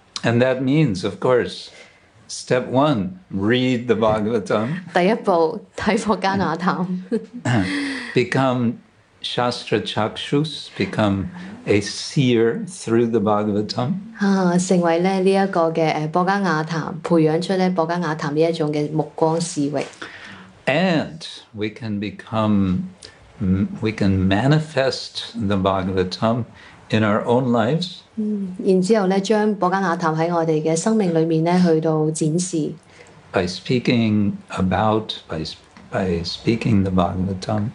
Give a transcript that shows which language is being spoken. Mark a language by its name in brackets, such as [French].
[English] And that means, of course, step one, read the Bhagavatam. [Cantonese] 第一步睇博加雅談。 [English] Become Shastra Chakshus, become a seer through the Bhagavatam. [Cantonese] 成為呢一個嘅博加雅談，培養出咧博加雅談呢一種嘅目光視域。 [English] And we can become, we can manifest the Bhagavatam in our own lives. [Cantonese] 然之後咧，將博加雅談喺我哋嘅生命裏面咧去到展示。 [English] By speaking the Bhagavatam.